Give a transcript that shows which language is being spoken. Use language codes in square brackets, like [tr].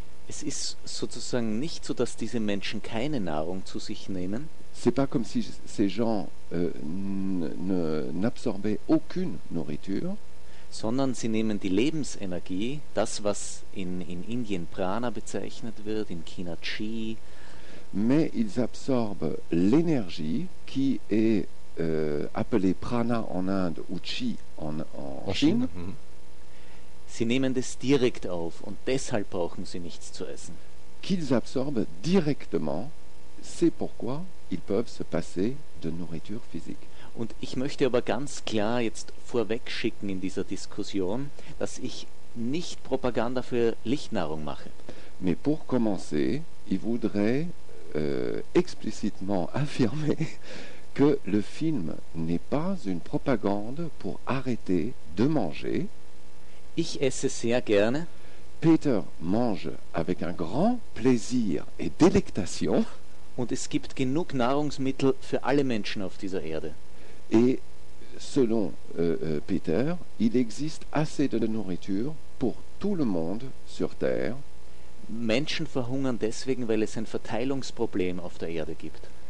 [de] Es ist sozusagen nicht so, dass diese Menschen keine Nahrung zu sich nehmen. [fr] C'est pas comme si ces gens n'absorbaient aucune nourriture. [de] Sondern sie nehmen die Lebensenergie, das, was in Indien Prana bezeichnet wird, in China Qi. [fr] Mais ils absorbent l'énergie qui est appelée Prana en Inde ou Qi en Chine. [de] Sie nehmen das direkt auf und deshalb brauchen sie nichts zu essen. [fr] Qu'ils absorbent directement, c'est pourquoi ils peuvent se passer de nourriture physique. [de] Und ich möchte aber ganz klar jetzt vorwegschicken in dieser Diskussion, dass ich nicht Propaganda für Lichtnahrung mache. [fr] Mais pour commencer, ich voudrais explicitement affirmer que le film n'est pas une propagande pour arrêter de manger. [de] Ich esse sehr gerne. [fr] Peter mange avec un grand plaisir et délectation. [de] Und es gibt genug Nahrungsmittel für alle Menschen auf dieser Erde. [fr] Et selon Peter, il existe assez de nourriture pour tout le monde sur Terre. [de] Menschen verhungern deswegen, weil es ein Verteilungsproblem auf der Erde gibt.